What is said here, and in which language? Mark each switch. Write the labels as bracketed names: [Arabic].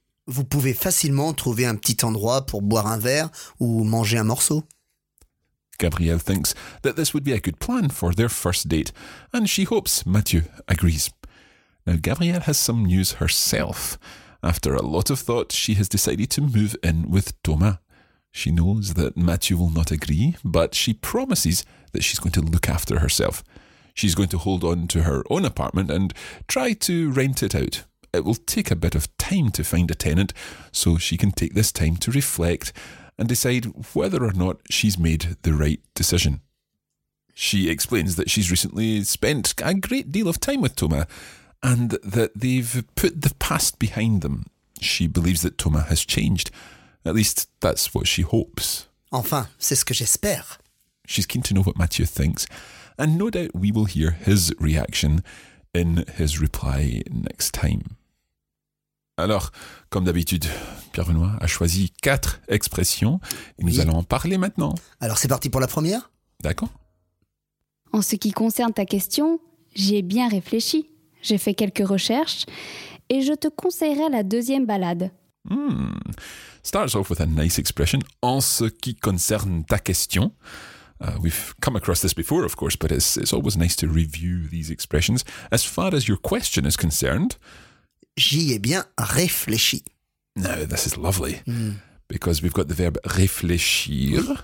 [French] Vous pouvez facilement trouver un petit endroit pour boire un verre ou manger un morceau. [English] Gabrielle thinks that this would be a good plan for their first date, and she hopes Mathieu agrees. Now, Gabrielle has some news herself. After a lot of thought, she has decided to move in with Thomas. She knows that Mathieu will not agree, but she promises that she's going to look after herself. She's going to hold on to her own apartment and try to rent it out. It will take a bit of time to find a tenant, so she can take this time to reflect and decide whether or not she's made the right decision. She explains that she's recently spent a great deal of time with Thomas and that they've put the past behind them. She believes that Thomas has changed. At least, that's what she hopes. [French] Enfin, c'est ce que j'espère. [English] She's keen to know what Mathieu thinks, and no doubt we will hear his reaction in his reply next time. [French] Alors, comme d'habitude, Pierre-Benoît a choisi quatre expressions et nous allons en parler maintenant. Alors c'est parti pour la première. D'accord. En ce qui concerne ta question, j'y ai bien réfléchi. J'ai fait quelques recherches et je te conseillerais la deuxième balade. [English] Starts off with a nice expression. [French] En ce qui concerne ta question. [English] We've come across this before, of course, but it's always nice to review these expressions. As far as your question is concerned... [French] J'y ai bien réfléchi. [English] No, this is lovely. Because we've got the verb réfléchir.